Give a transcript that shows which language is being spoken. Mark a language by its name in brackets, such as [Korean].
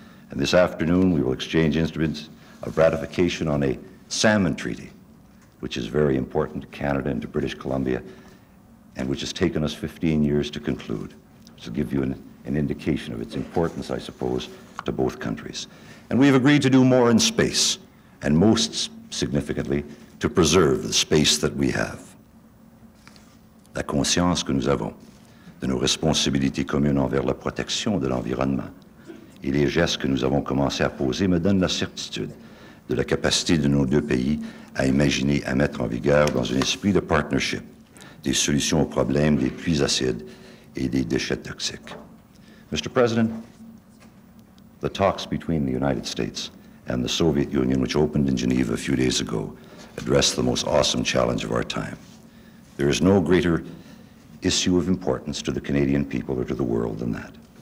[English] And this afternoon, we will exchange instruments of ratification on a salmon treaty, which is very important to Canada and to British Columbia, and which has taken us 15 years to conclude. This will give you an indication of its importance, I suppose, to both countries. And we have agreed to do more in space, and most significantly, to preserve the space that we have. [French] La conscience que nous avons de nos responsabilités communes envers la protection de l'environnement et les gestes que nous avons commencé à poser me donnent la certitude de la capacité de nos deux pays à imaginer, à mettre en vigueur dans un esprit de partnership des solutions aux problèmes des puits acides et des déchets toxiques. [English] Mr. President, the talks between the United States and the Soviet Union, which opened in Geneva a few days ago, addressed the most awesome challenge of our time. There is no greater issue of importance to the Canadian people or to the world than that.